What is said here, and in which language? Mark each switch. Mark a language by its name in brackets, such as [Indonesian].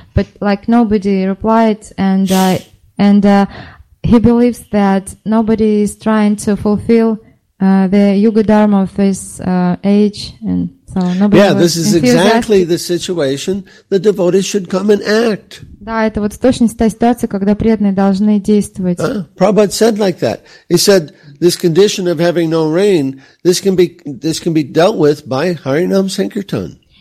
[English] But like nobody replied, and he believes that nobody is trying to fulfill the Yuga Dharma of his age, and so nobody. Yeah, this is exactly the situation the devotees should come and act. [Russian] Да, это вот точно та ситуация, когда преданные должны действовать. [English] Prabhupada said like that. He said this condition of having no rain, this can be dealt with by Harinam Sankirtan.